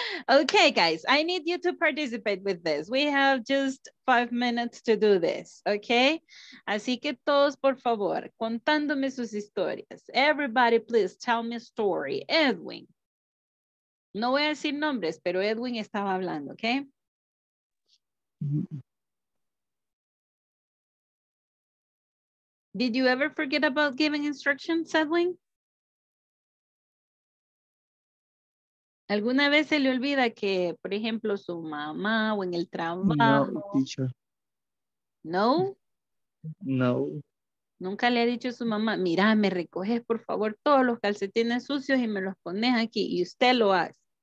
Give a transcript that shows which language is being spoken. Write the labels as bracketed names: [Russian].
[English] Ok, guys, I need you to participate with this. We have just 5 minutes to do this, ok. [Spanish] Así que todos, por favor, contándome sus historias. [English] Everybody, please tell me a story. [Spanish] Edwin. No voy a decir nombres, pero Edwin estaba hablando, ¿ok? [English] Did you ever forget about giving instructions, Edwin? [Spanish] ¿Alguna vez se le olvida que, por ejemplo, su mamá o en el trabajo? [English] No, teacher. [Spanish] ¿No? No. Nunca le ha dicho a su mamá, mira, me recoges por favor todos los calcetines sucios y me los pones aquí y usted lo hace.